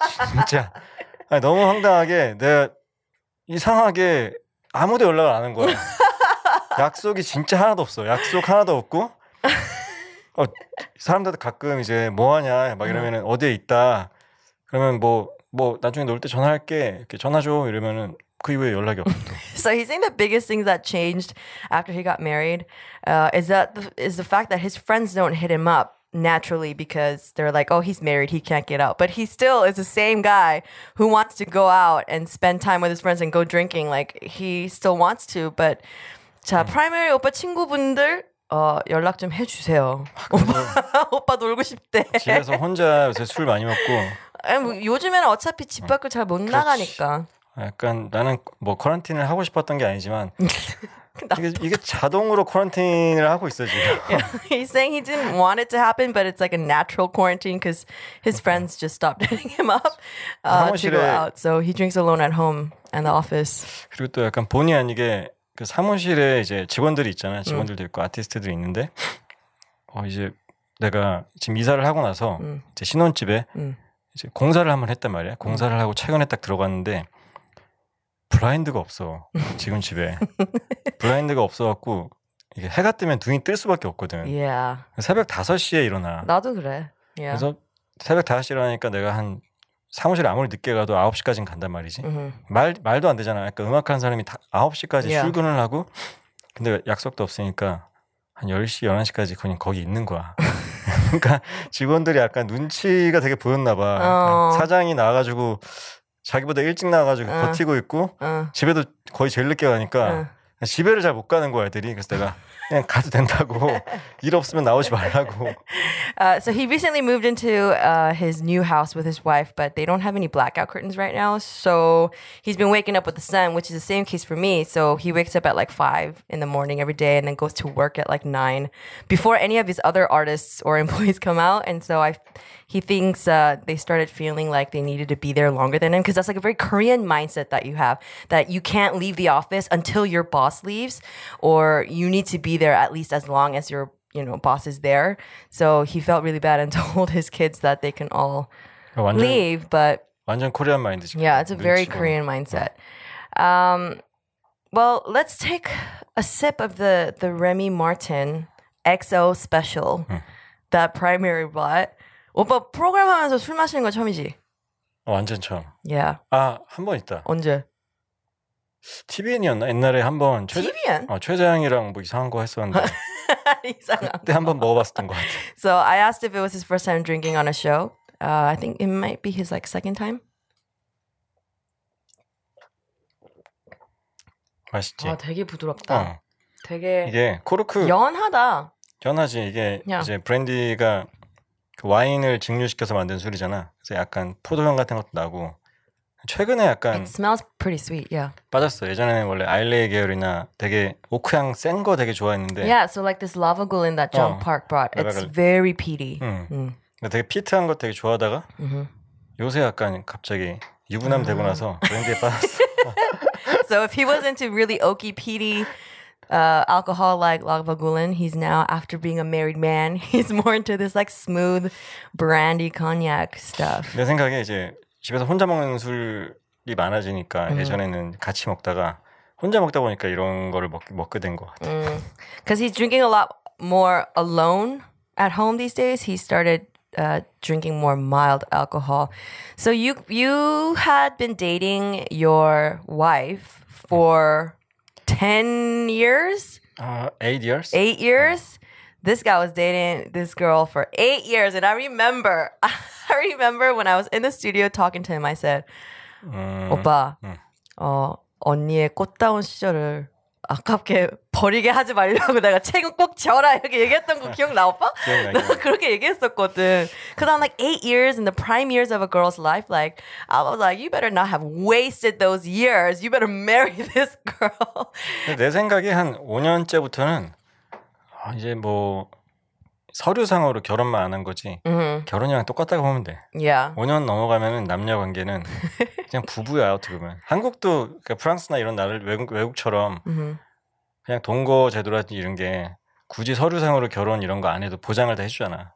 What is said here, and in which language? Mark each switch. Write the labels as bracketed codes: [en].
[ko] 진짜 아니, 너무 황당하게 내가 이상하게 아무도 연락을 안 한 거야. 약속이 진짜 하나도 없어. 약속 하나도 없고 사람들도 가끔 이제 뭐 하냐 막 이러면은 어디에 있다 그러면 뭐 나중에 놀 때 전화할게 이렇게 전화 줘 이러면은 그 이후에 연락이 없어. [en] So he's saying the biggest thing that changed after he got married is the fact that his friends don't hit him up. Naturally, because they're like, oh, he's married, he can't get out. But he still is the same guy who wants to go out and spend time with his friends and go drinking. Like, he still wants to. [ko] But, 자, 프라이머리 오빠 친구분들, 연락 좀 해주세요. 오빠 놀고 싶대. 집에서 혼자 요새 술 많이 먹고. 요즘에는 어차피 집 밖을 잘 못 나가니까. 약간 나는 뭐 쿼런틴을 하고 싶었던 게 아니지만. 이게 자동으로 쿼런틴을 하고 있어 지금. He's saying he didn't want it to happen, but it's like a natural quarantine because his friends just stopped hitting him up to go out. So he drinks alone at home and the office. 그리고 또 약간 본의 아니게 그 사무실에 이제 직원들이 있잖아요. 직원들도 있고 아티스트들이 있는데 이제 내가 지금 이사를 하고 나서 이제 신혼집에 이제 공사를 한번 했단 말이야. 공사를 하고 최근에 딱 들어갔는데. 블라인드가 없어 지금 집에 블라인드가 없어갖고 이게 해가 뜨면 눈이 뜰 수밖에 없거든. [en] Yeah. [ko] 새벽 5시에 일어나. 나도 그래. Yeah. 그래서 새벽 5시에 일어나니까 내가 한 사무실 아무리 늦게 가도 9시까지는 간단 말이지. 말도 안 되잖아. 그러니까 음악하는 사람이 다 9시까지 yeah. 출근을 하고 근데 약속도 없으니까 한 10시 11시까지 그냥 거기 있는 거야. 그러니까 직원들이 약간 눈치가 되게 보였나 봐. 사장이 나와가지고 자기보다 일찍 나와가지고 버티고 있고 집에도 거의 제일 늦게 가니까 집에를 잘 못 가는 거야 애들이. 그래서 내가 그냥 가도 된다고 일 없으면 나오지 말라고. [en] So he recently moved into his new house with his wife, but they don't have any blackout curtains right now. So he's been waking up with the sun, which is the same case for me. So he wakes up at like 5 in the morning every day and then goes to work at like 9 before any of his other artists or employees come out. And so he thinks they started feeling like they needed to be there longer than him, because that's like a very Korean mindset that you have, that you can't leave the office until your boss leaves, or you need to be there at least as long as your, you know, boss is there. So he felt really bad and told his kids that they can all [ko] 완전, [en] leave. But 완전 Korean mindset. Yeah, it's a very 눈치고. Korean mindset. Well, let's take a sip of the Remy Martin XO special, that primary bot. [ko] 오빠 프로그램 하면서 술 마시는 거 처음이지? 완전 처음. [en] Yeah. [ko] 아, 한 번 있다. 언제? TVN이었나? 옛날에 한 번. TVN? 최재형이랑 뭐 이상한 거 했었는데. 이상한 거. 그때 한 번 먹어봤었던 것 같아. [en] So I asked if it was his first time drinking on a show. I think it might be his like second time. [ko] 맛있지? 아, 되게 부드럽다. 되게 이게 코르크. 연하다. 연하지. 이게 yeah. 이제 브랜디가 와인을 증류시켜서 만든 술이잖아. 그래서 약간 포도향 같은 것도 나고 최근에 약간 [en] It smells pretty sweet, yeah. [ko] 빠졌어. 예전에는 원래 아일레이 계열이나 되게 오크향 센 거 되게 좋아했는데 [en] Yeah, so like this Lavagoulin that John Park brought. It's very peaty. [ko] 되게 피트한 거 되게 좋아하다가 요새 약간 갑자기 유부남 되고 나서 브랜디에 빠졌어. [en] So if he was into really oaky, peaty alcohol like Lagavulin, he's now, after being a married man, he's more into this like smooth brandy cognac stuff. [ko] 내 생각에 이제 집에서 혼자 먹는 술이 많아지니까 예전에는 같이 먹다가 혼자 먹다 보니까 이런 거를 먹게 된 것 같아. [en] Because he's drinking a lot more alone at home these days, he started drinking more mild alcohol. So you had been dating your wife for 10 years? 8 years. 8 years? Yeah. This guy was dating this girl for 8 years. And I remember when I was in the studio talking to him, I said, [ko] 오빠, 언니의 꽃다운 시절을 아깝게 버리게 하지 말라고 내가 책은 꼭 지워라 이렇게 얘기했던 거 기억나, 오빠? 기억나. 그렇게 얘기했었거든. Because I'm like 8 years in the prime years of a girl's life. Like, I was like, you better not have wasted those years. You better marry this girl. 내 생각에 한 5년째부터는 이제 뭐 서류상으로 결혼만 안 한 거지. 결혼이랑 똑같다고 보면 돼. [en] Yeah. [ko] 5년 넘어가면은 남녀 관계는 그냥 부부야, 어떻게 보면. 한국도 그러니까 프랑스나 이런 나라를 외국처럼 그냥 동거 제도라든지 이런 게 굳이 서류상으로 결혼 이런 거 안 해도 보장을 다 해주잖아.